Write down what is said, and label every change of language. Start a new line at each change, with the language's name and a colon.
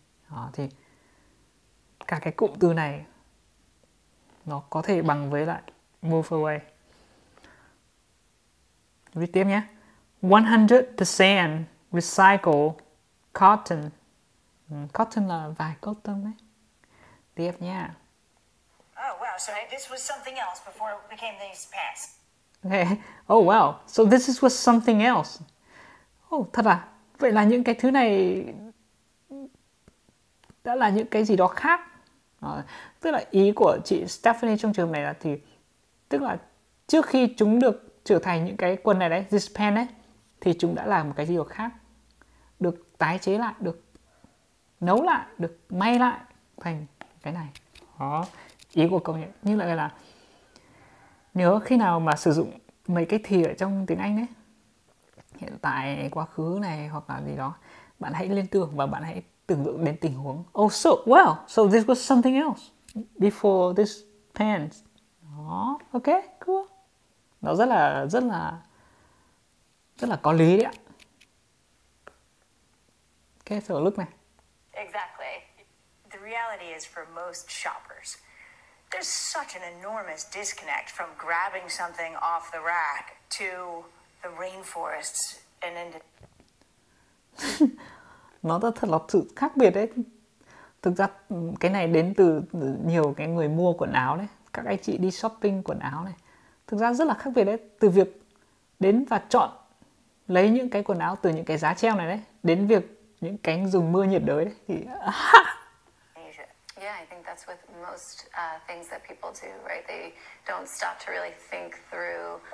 Vietnamese: Đó, thì cả cái cụm từ này nó có thể bằng với lại move away. Viết tiếp nhé.
English: 100% recycled cotton.
Vietnamese: Cotton là vải cotton đấy. Tiếp nhé.
English: Oh wow, so this was something else before it became these pants. Okay. Oh wow, so this was something else. Oh,
Vietnamese: thật à? Vậy là những cái thứ này đã là những cái gì đó khác. À, tức là ý của chị Stephanie trong trường này là thì tức là trước khi chúng được trở thành những cái quần này đấy,
English: this pen
Vietnamese: ấy, thì chúng đã là một cái gì đó khác. Được tái chế lại, được nấu lại, được may lại thành cái này. Đó, ý của câu này. Nhưng lại là nhớ khi nào mà sử dụng mấy cái thì ở trong tiếng Anh ấy, hiện tại, quá khứ này hoặc là gì đó, bạn hãy liên tưởng và bạn hãy tưởng tượng đến tình huống.
English: Oh, so, well, so this was something else before this pants.
Vietnamese: Đó,
English: ok, cool.
Vietnamese: Nó rất là có lý đấy ạ. Ok, thử lúc này.
English: Exactly. The reality is for most shoppers, there's such an enormous disconnect from grabbing something off the rack to the rainforests and
Vietnamese: Nó rất thật là sự khác biệt đấy. Thực ra cái này đến từ nhiều cái người mua quần áo đấy, các anh chị đi shopping quần áo này. Thực ra rất là khác biệt đấy, từ việc đến và chọn lấy những cái quần áo từ những cái giá treo này đấy, đến việc những cánh dùng mưa nhiệt đới đấy thì
English: yeah, I think that's with most things that people do, right? They don't stop to really think through